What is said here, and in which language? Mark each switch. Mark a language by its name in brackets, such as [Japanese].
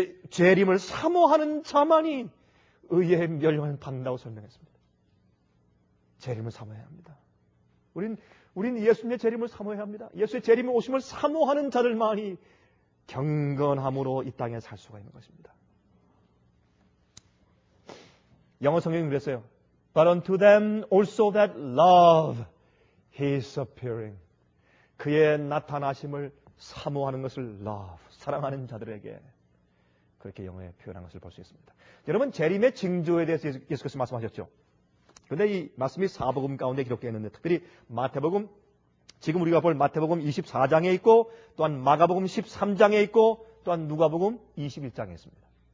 [Korean] 재림을 사모하는 자만이 의의 멸망을 받는다고 설명했습니다. 재림을 사모해야 합니다. 우린 예수님의 재림을 사모해야 합니다. 예수의 재림의 오심을 사모하는 자들만이 경건함으로 이 땅에 살 수가 있는 것입니다. 영어 성경이 그랬어요. [English] But unto them also that love his appearing. [Korean] 그의 나타나심을 사모하는 것을 love, 사랑하는 자들에게 그렇게 영어에 표현한 것을 볼 수 있습니다. 여러분 재림의 징조에 대해서 예수께서 말씀하셨죠. 그런데 이 말씀이 사복음 가운데 기록되어 있는데 특별히 마태복음, 지금 우리가 볼 마태복음 24장에 있고 또한 마가복음 13장에 있고 또한 누가복음 21장에 있습니다.